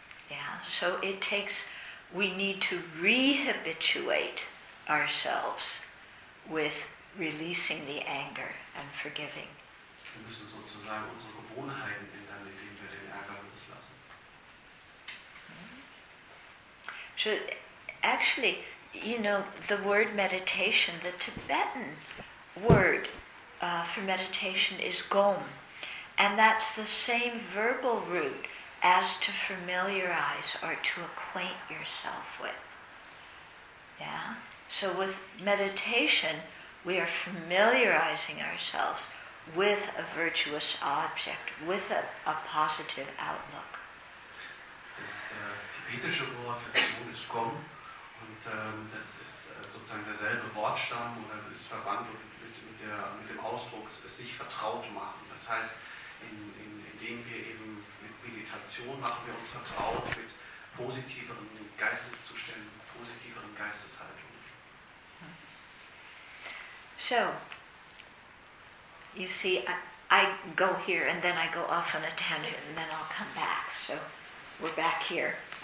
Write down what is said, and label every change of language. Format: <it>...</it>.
<en>Yeah, so it takes, we need to rehabituate ourselves with releasing the anger and forgiving.</en> <de>Wir müssen sozusagen unsere Gewohnheiten ändern, indem wir den Ärger loslassen.</de> <en>So, actually, you know, the word meditation, the Tibetan word for meditation is gom. And that's the same verbal root as to familiarize or to acquaint yourself with. Yeah? So with meditation, we are familiarizing ourselves with a virtuous object, with a positive outlook.</en> <de>Das tibetische Wort für Zion ist Gom und das ist sozusagen derselbe Wortstamm oder ist verwandt mit dem Ausdruck, es sich vertraut machen. Das heißt, indem wir eben mit Meditation machen wir uns vertraut mit positiveren Geisteszuständen, positiveren Geisteshaltungen.</de> <en>So, you see, I go here and then I go off on a tangent and then I'll come back. So we're back here.</en>